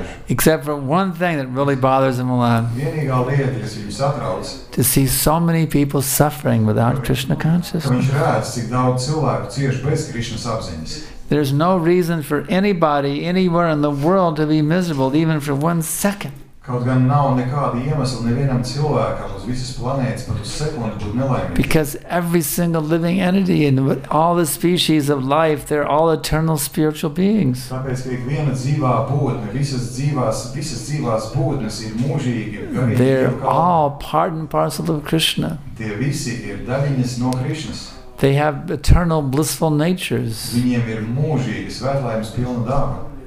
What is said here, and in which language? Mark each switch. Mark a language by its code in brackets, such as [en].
[en] Except for one thing that really bothers him a lot. To see so many people suffering without Krishna consciousness. There's no reason for anybody, anywhere in the world to be miserable, even for 1 second. [lv] Kaut gan nav nekāda iemesla nevienam cilvēkam uz visas planētas pat uz sekundi būt nelaimīgi. [en] Because every single living entity and all the species of life, they're all eternal spiritual beings. [lv] Tāpēc, ka ikviena dzīvā būtne, visas dzīvās būtnes ir mūžīgi. [en] They're all part and parcel of Krishna. [lv] Tie visi ir daļiņas no Krishnas. [en] They have eternal blissful natures. [lv] Viņiem ir mūžīgi svētlaimes pilna daba.